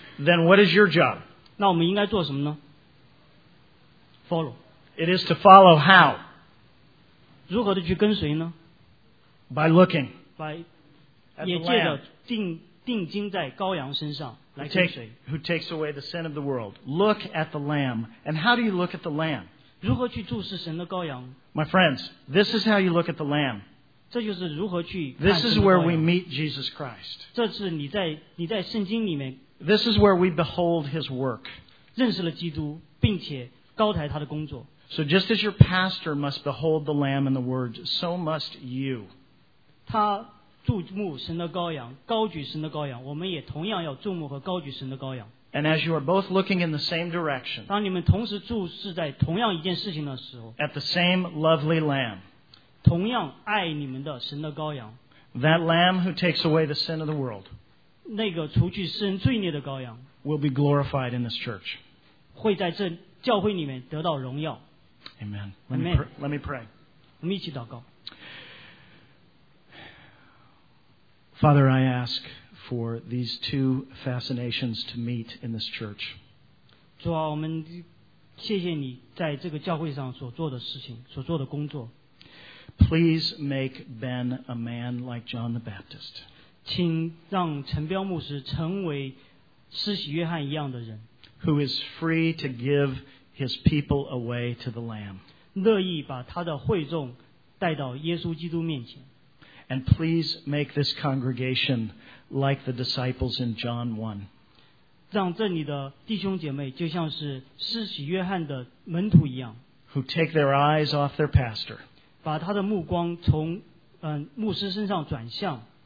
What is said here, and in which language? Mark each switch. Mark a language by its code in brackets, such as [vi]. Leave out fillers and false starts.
[en] Then what is your job? [zh] 那我们应该做什么呢？Follow. [en] It is to follow how? [zh] 如何的去跟随呢? [en] By looking. [zh] 也借着定睛在羔羊身上来跟随。 [en] Who takes away the sin of the world. Look at the Lamb. And how do you look at the Lamb? [zh] 如何去注视神的羔羊? [en] My friends, this is how you look at the Lamb. [zh] 这就是如何去看神的羔羊。 [en] This is where we meet Jesus Christ. [zh] 这是你在圣经里面。 [en] This is where we behold his work. [zh] 认识了基督，并且高抬他的工作。 [en] So just as your pastor must behold the Lamb in the Word, so must you. [zh] 他, 注目神的羔羊，高举神的羔羊，我们也同样要注目和高举神的羔羊。 [en] And as you are both looking in the same direction, [zh] 当你们同时注视在同样一件事情的时候 [en] ，at the same lovely lamb, [zh] 同样爱你们的神的羔羊 [en] ，that lamb who takes away the sin of the world, [zh] 那个除去世人罪孽的羔羊 [en] ，will be glorified in this church, [zh] 会在这教会里面得到荣耀。 [en] Amen. Let me pray. [zh] 我们一起祷告。 [en] Father, I ask for these two fascinations to meet in this church. [zh] 主啊，我们谢谢你在这个教会上所做的事情，所做的工作。 [en] Please make Ben a man like John the Baptist. [zh] 请让陈彪牧师成为施洗约翰一样的人。 [en] Who is free to give his people away to the Lamb. [zh] 乐意把他的会众带到耶稣基督面前。 [en] And please make this congregation like the disciples in John 1. [zh] 让这里的弟兄姐妹就像是施洗约翰的门徒一样。 [en] Who take their eyes off their pastor. [zh] 把他的目光从牧师身上转向。